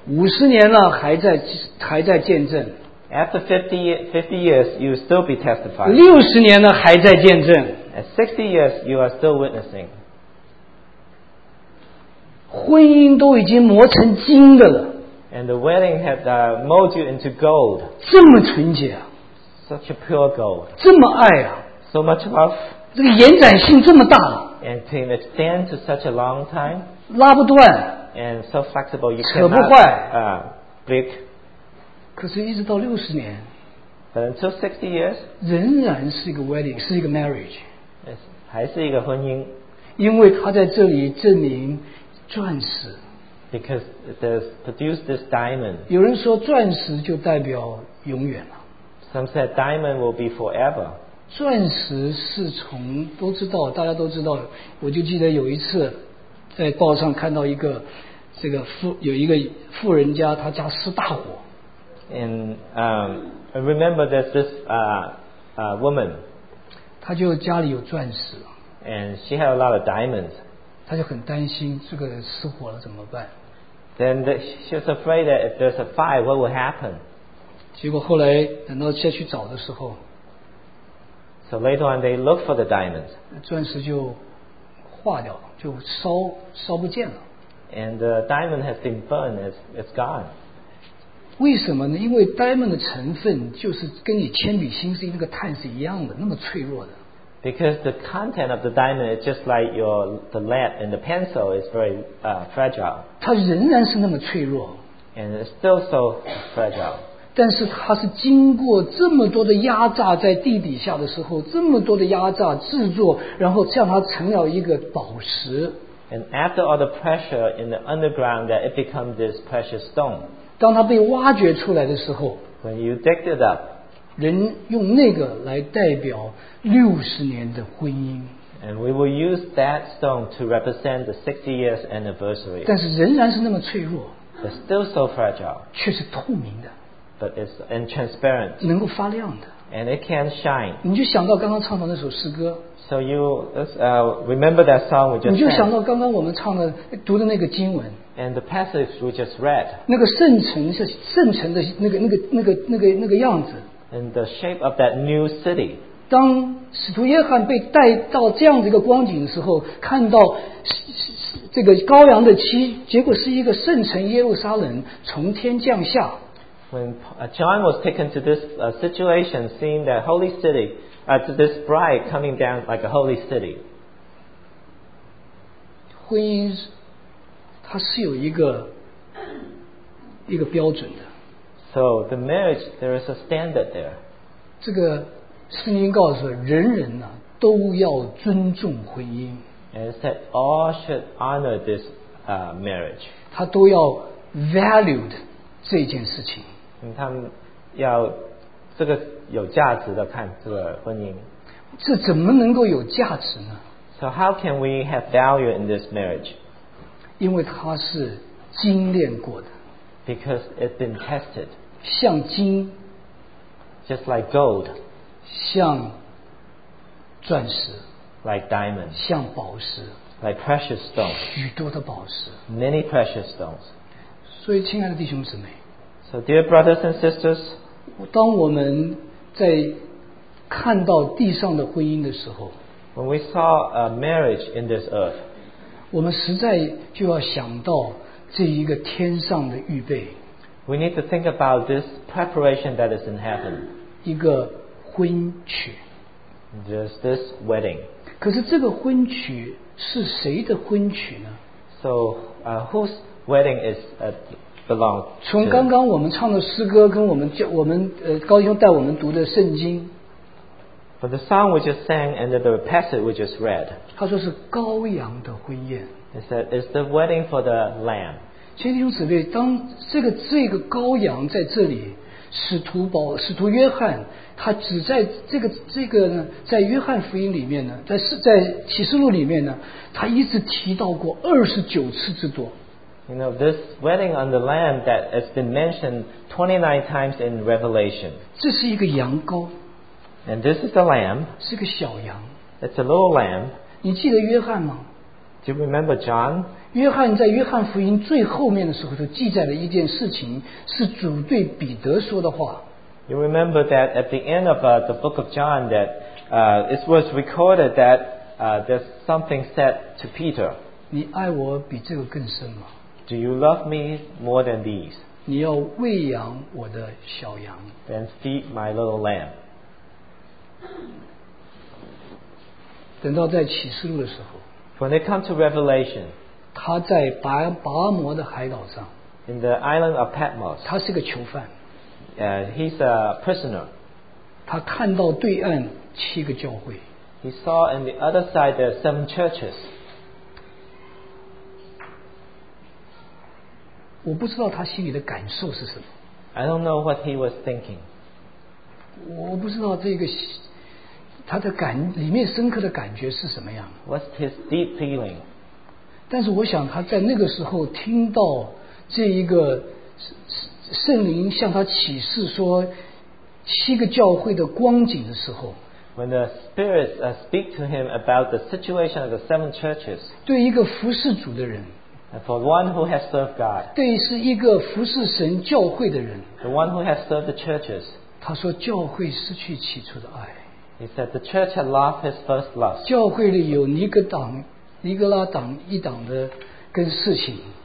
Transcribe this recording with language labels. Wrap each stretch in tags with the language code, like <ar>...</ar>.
<zh>50年了还在见证。</zh> <en>After 50 years, you will still be testifying.</en> <zh>60年了还在见证。</zh> <en>At 60 years, you are still witnessing.</en> <zh>婚姻都已经磨成金的了。</zh> <en>And the wedding had molded you into gold.</en> <zh>这么纯洁啊,</zh> <en>Such a pure gold.</en> <zh>这么爱啊,</zh> <en>so much love.</en> <zh>这个延展性这么大,</zh> <en>and to extend to such a long time.</en> <zh>拉不断,</zh> <en>and so flexible you</en> <zh>扯不坏,</zh> <en>cannot break.</en> <zh>可是一直到60年,</zh> <en>but until 60 years.</en> <zh>仍然是一个 wedding, 是一个 marriage. 还是一个婚姻, 因为他在这里证明钻石。</zh> <en>Because it has produced this diamond.</en> <zh>有人说钻石就代表永远了。</zh> <en>Some said diamond will be forever.</en> <zh>钻石是从都知道，大家都知道。我就记得有一次在报上看到一个这个富有一个富人家，他家失大火。</zh> <en>And I remember there's this woman.</en> <zh>她就家里有钻石。</zh> <en>And she had a lot of diamonds.</en> <zh>她就很担心这个失火了怎么办。</zh> <en>Then she was afraid that if there's a fire, what would happen?</en> <zh>结果后来等到下去找的时候。</zh> <en>So later on, they looked for the diamonds.</en> <zh>钻石就化掉了，就烧不见了。</zh> <en>And the diamond has been burned. It's gone.</en> <zh>为什么呢？因为 diamond 的成分就是跟你铅笔芯是那个碳是一样的，那么脆弱的。</zh> <en>Because the content of the diamond is just like the lead and the pencil is very fragile.</en> <zh>它仍然是那么脆弱。</zh> <en>And it's still so fragile.</en> <zh>但是它是经过这么多的压榨，在地底下的时候，这么多的压榨制作，然后让它成了一个宝石。</zh> <en>And after all the pressure in the underground, that it becomes this precious stone.</en> <zh>当它被挖掘出来的时候</zh> <en>When you dig it up,</en> <zh>人用那个来代表六十年的婚姻</zh> <en>And we will use that stone to represent the 60 years anniversary</en> <zh>但是仍然是那么脆弱</zh> <en>But still so fragile</en> <zh>却是透明的</zh> <en>But it's and transparent</en> <zh>能够发亮的</zh> <en>And it can shine</en> <zh>你就想到刚刚唱的那首诗歌</zh> <en>So you remember that song we just</en> <zh>你就想到刚刚我们唱的读的那个经文</zh> <en>And the passage we just read.</en> <zh>那个圣城是圣城的那个样子。</zh> <en>And the shape of that new city.</en> <zh>当使徒约翰被带到这样的一个光景的时候，看到这个羔羊的妻，结果是一个圣城耶路撒冷从天降下。</zh> <en>When John was taken to this situation, seeing that holy city, to this bride coming down like a holy city.</en> <zh>婚姻。它是有一个标准的。</zh> <en>So the marriage, there is a standard there.</en> <zh>这个圣经告诉人人呢、啊、都要尊重婚姻。</zh> <en>And it said all should honor this marriage.</en> <zh>他都要 valued 这件事情。嗯、他们要这个有价值的看这个婚姻。这怎么能够有价值呢</zh> <en>？So how can we have value in this marriage?</en> <zh>因为它是精炼过的</zh> <en>，because it's been tested，</en> <zh>像金</zh> <en>，just like gold，</en> <zh>像钻石</zh> <en>，like diamond，</en> <zh>像宝石</zh> <en>，like precious stones，</en> <zh>许多的宝石</zh> <en>，many precious stones。</en> <zh>所以，亲爱的弟兄姊妹</zh> <en>，so dear brothers and sisters，</en> <zh>当我们在看到地上的婚姻的时候</zh> <en>，when we saw a marriage in this earth。</en> <zh>我们实在就要想到这一个天上的预备。</zh> <en>We need to think about this preparation that is in heaven.</en> <zh>一个婚娶。</zh> <en>There's this wedding.</en> <zh>可是这个婚娶是谁的婚娶呢</zh> <en>？So, whose wedding is belong?</en> <zh>从刚刚我们唱的诗歌跟我们高兄带我们读的圣经。</zh> <en>For the song we just sang and the passage we just read.</en> <zh>他说是羔羊的婚宴。</zh> <en>He said, it's the wedding for the lamb.</en> <zh>亲爱的弟兄姊妹，当这个羔羊在这里，使徒约翰，他只在这个呢，在约翰福音里面呢，在启示录里面呢，他一直提到过29次之多。</zh> <en>You know, this wedding on the lamb that has been mentioned 29 times in Revelation.</en> <zh>这是一个羊羔。</zh> <en>And this is the lamb.</en> <zh>是个小羊。</zh> <en>It's a little lamb.</en> <zh>你记得约翰吗</zh> <en>？Do you remember John?</en> <zh>约翰在约翰福音最后面的时候，就记载了一件事情，是主对彼得说的话。</zh> <en>You remember that at the end of the book of John, that it was recorded that there's something said to Peter.</en> <zh>你爱我比这个更深吗</zh> <en>？Do you love me more than these?</en> <zh>你要喂养我的小羊。</zh> <en>Then feed my little lamb.</en> <zh>等到在启示录的时候</zh> <en>When they come to Revelation</en> <zh>他在拔摩的海岛上</zh> <en>In the island of Patmos</en> <zh>他是个囚犯</zh> <en>He's a prisoner</en> <zh>他看到对岸七个教会</zh> <en>He saw on the other side there are seven churches</en> <zh>我不知道他心里的感受是什么。</zh> <en>I don't know what he was thinking.</en> <zh>我不知道这个他的感里面深刻的感觉是什么样。</zh> <en>What's his deep feeling?</en> <zh>但是我想他在那个时候听到这一个圣灵向他启示说七个教会的光景的时候。</zh> <en>When the Spirit speak to him about the situation of the seven churches,</en> <zh>对一个服侍主的人，</zh> <en>for one who has served God,</en> <zh>对是一个服侍神教会的人，</zh> <en>the one who has served the churches,</en> <zh>他说教会失去起初的爱。</zh> <en>He said the church had lost his first love.</en> <zh>教会里有尼格党、尼格拉党一党的跟事情。</zh>